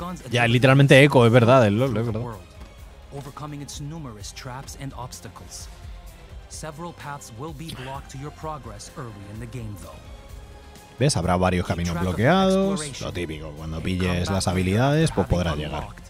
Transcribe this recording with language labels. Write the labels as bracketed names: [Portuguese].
[Spanish] Ya, es literalmente eco, es verdad, el LOL, es verdad. [English] Overcoming its numerous traps and obstacles. Several paths will be blocked to your progress early in the game though. [Spanish] ¿Ves? Habrá varios caminos bloqueados, lo típico, cuando pilles las habilidades, pues podrás llegar.